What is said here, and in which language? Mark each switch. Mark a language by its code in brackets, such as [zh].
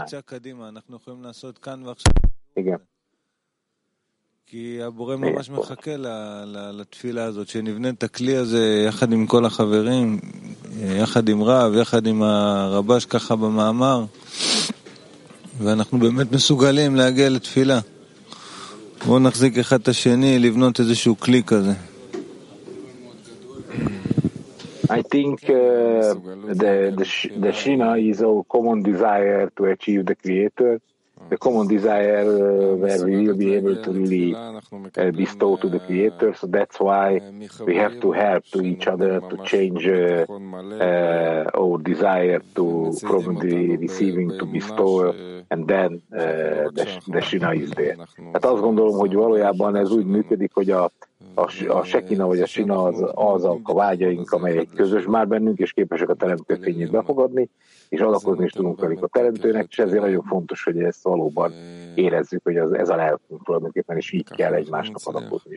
[he] נמצא קדימה, אנחנו יכולים לעשות כאן ועכשיו. כי הבורא ממש מחכה לתפילה הזאת, שנבנה את הכלי הזה יחד עם כל החברים, יחד עם רב, יחד עם הרבש ככה במאמר. ואנחנו באמת מסוגלים להגיע לתפילה. בואו נחזיק אחד את השני לבנות איזשהו קליק כזה. [en] I think the Shina is our common desire to achieve the Creator, the common desire where we will be able to really bestow to the Creator. So that's why we have to help to each other to change our desire to from the receiving to bestow, and then the Shina is there. [hu] Hát azt gondolom, hogy valójában ez úgy működik, hogy a Shekina vagy a Shina az azok a vágyaink, amelyek közös már bennünk, és képesek a teremtő fényét befogadni, és adakozni is tudunk velük a teremtőnek, és ezért nagyon fontos, hogy ezt valóban érezzük, hogy ez a lelkünk tulajdonképpen, és így kell egymásnak adakozni.